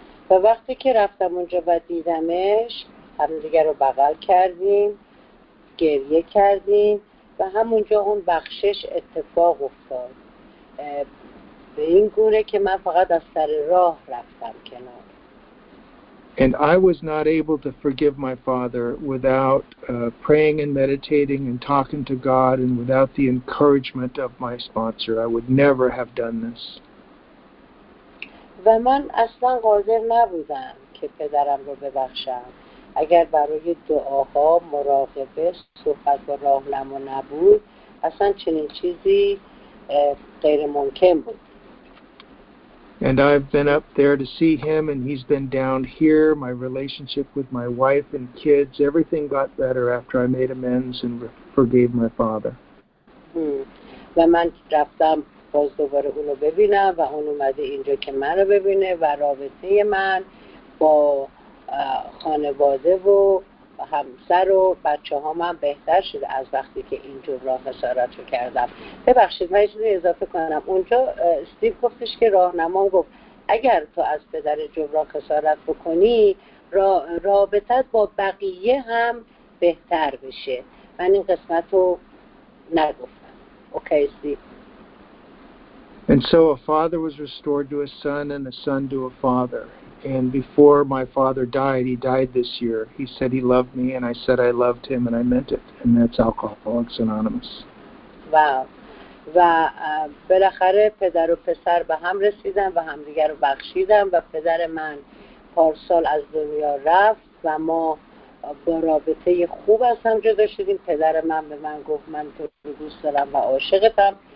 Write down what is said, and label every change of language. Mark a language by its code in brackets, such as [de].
[fa] و وقتی که رفتم اونجا و دیدمش، همدیگر رو بغل کردیم، گریه کردیم، و همونجا اون بخشش اتفاق افتاد. به این گونه که من فقط از سر راه رفتم کنار. [en] And I was not able to forgive my father without praying and meditating and talking to God and without the encouragement of my sponsor. I would never have done this. [fa] و من اصلا قادر نبودم که پدرم رو ببخشم اگر برای دعاها، مراقبه، صحبت و راهنما نبود. اصلا چنین چیزی غیر ممکن بود. [en] And I've been up there to see him, and he's been down here. My relationship with my wife and kids, everything got better after I made amends and forgave my father. [fa] و من رفتم باز دوباره اونو ببینم و اون اومده اینجا که منو ببینه و رابطه من با خانواده و همسر و بچه ها من بهتر شده از وقتی که اینجور راه خسارت رو کردم. ببخشید من اینجور اضافه کنم. اونجا استیو گفتش که راهنمان گفت اگر تو از پدر جبرا خسارت بکنی رابطت با بقیه هم بهتر بشه. من این قسمت رو نگفتم. اوکی استیو. [en] And so a father was restored to a son and a son to a father. And before my father died, he died this year, he said he loved me, and I said I loved him, and I meant it. And that's Alcoholics Anonymous. Wow. [fa] و بالاخره پدر و پسر به هم رسیدن و همدیگر رو بخشیدن و پدر من پارسال از دنیا رفت و ما با رابطه خوب از هم جدا شدیم. پدر من به من گفت من تو رو دوست دارم و عاشقتم.